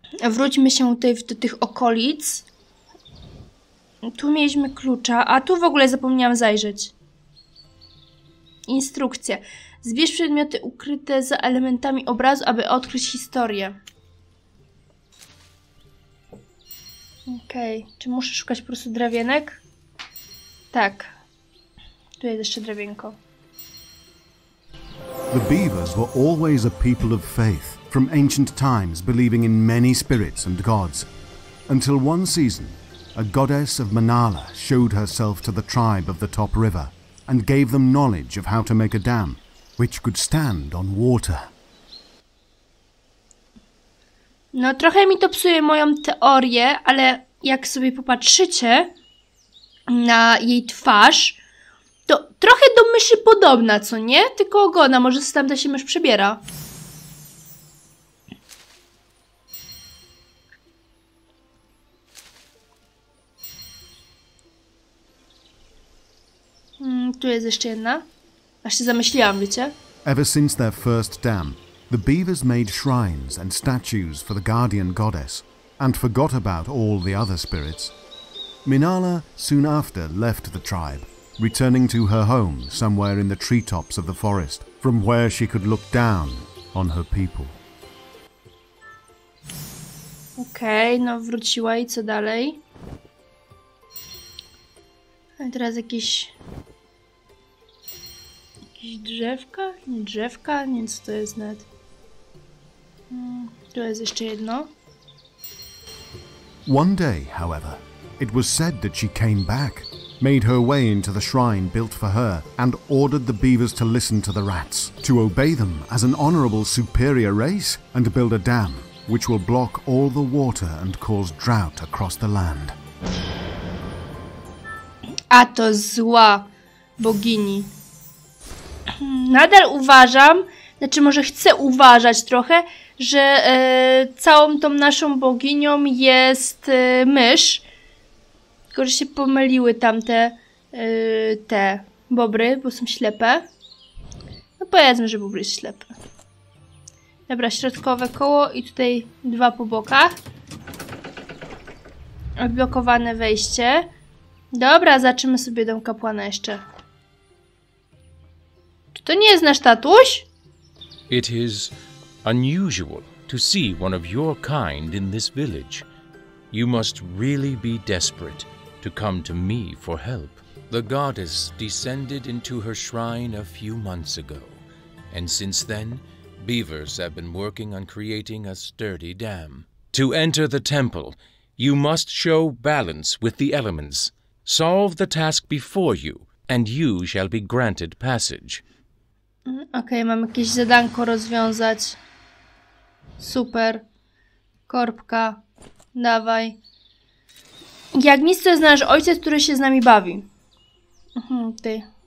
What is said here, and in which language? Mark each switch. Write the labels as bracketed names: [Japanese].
[Polish] Wróćmy się tutaj do tych okolic. Tu mieliśmy klucza, a tu w ogóle zapomniałam zajrzeć. Instrukcja. Zbierz przedmioty ukryte za elementami obrazu, aby odkryć historię. Okej. Czy muszę szukać po prostu drewienek? Tak. Tu jest jeszcze drewienko. [English] The beavers were always a people of faith, from ancient times believing in many spirits and gods. Until one season, a goddess of Manala showed herself to the tribe of the Top River and gave them knowledge of how to make a dam, which could stand on water. [Polish] No trochę mi to psuje moją teorię, ale jak sobie popatrzycie na jej twarz, to trochę do myszy podobna, co nie? Tylko ogona, może się tamta się mysz przebiera. Tu jest jeszcze jedna. Aż się zamyśliłam, wiecie? [English] Ever since their first dam, the beavers made shrines and statues for the guardian goddess and forgot about all the other spirits. Minala soon after left the tribe, returning to her home somewhere in the treetops of the forest, from where she could look down on her people. [Polish] Okej, okay, no wróciła i co dalej? A teraz jakieś drzewka? Nie drzewka, nie wiem, co to jest nawet. Tu jest jeszcze jedno. [English] One day, however, it was said that she came back, made her way into the shrine built for her, and ordered the beavers to listen to the rats, to obey them as an honorable superior race, and build a dam which will block all the water and cause drought across the land. [Polish] A to zła bogini. Nadal uważam, znaczy może chcę uważać trochę, że całą tą naszą boginią jest mysz. Tylko, że się pomyliły tamte te bobry, bo są ślepe. No powiedzmy, że bobry jest ślepe. Dobra, środkowe koło i tutaj dwa po bokach. Odblokowane wejście. Dobra, zobaczymy sobie dom kapłana jeszcze. Czy to nie jest nasz tatuś? [English] It is unusual to see one of your kind in this village. You must really be desperate to come to me for help. The goddess descended into her shrine a few months ago, and since then, beavers have been working on creating a sturdy dam. To enter the temple, you must show balance with the elements. Solve the task before you, and you shall be granted passage. [Polish] Okej, mam jakieś zadanko rozwiązać. Super. Korbka. Dawaj. Jak nic, to znasz ojciec, który się z nami bawi. Ty.